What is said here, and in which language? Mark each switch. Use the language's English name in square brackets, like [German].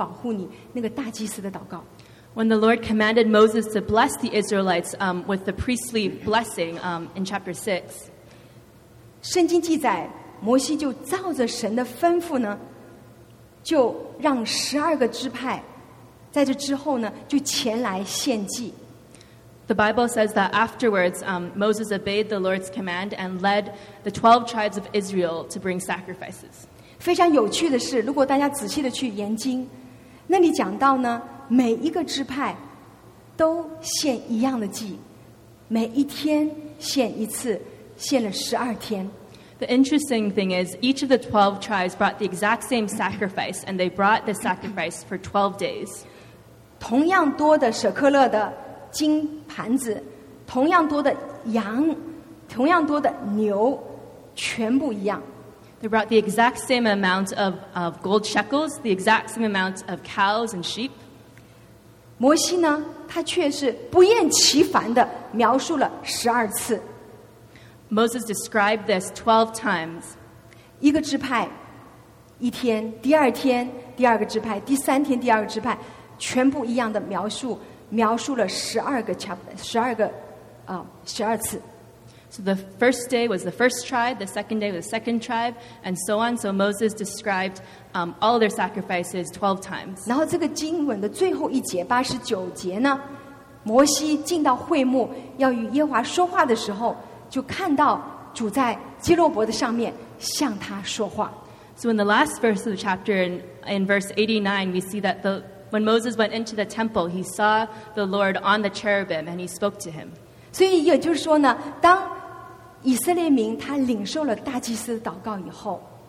[English] When the Lord commanded Moses to bless the Israelites with the priestly blessing in chapter 6, [Chinese] 圣经记载, 摩西就照着神的吩咐呢, 就让12个支派, 在这之后呢, 就前来献祭。 [English] The Bible says that afterwards, Moses obeyed the Lord's command and led the 12 tribes of Israel to bring sacrifices. [Chinese] 非常有趣的是, 如果大家仔细地去研经, 那里讲到呢, 每一个支派都献一样的祭, 每一天献一次, 献了12天。 [English] The interesting thing is, each of the 12 tribes brought the exact same sacrifice, and they brought the sacrifice for 12 days. [Chinese] 同样多的舍客勒的金盘子, 同样多的羊, 同样多的牛, 全部一样。 [English] They brought the exact same amount of gold shekels, the exact same amount of cows and sheep. [Chinese] 摩西呢, 他却是不厌其烦地描述了12次。 [English] Moses described this 12 times. [Chinese] 一个支派一天, 第二天, 第二个支派, 第三天, 第二个支派, 全部一样的描述, 描述了12个次。 [English] So the first day was the first tribe, the second day was the second tribe, and so on. So Moses described all their sacrifices 12 times. [Chinese] 然后这个经文的最后一节, 89节呢, 摩西进到会幕要与耶和华说话的时候, 就看到主在基洛伯的上面向他说话。 [English] So in the last verse of the chapter, in verse 89, we see that when Moses went into the temple, he saw the Lord on the cherubim and he spoke to him. [Chinese] 所以也就是说呢, 当以色列民他领受了大祭司的祷告以后,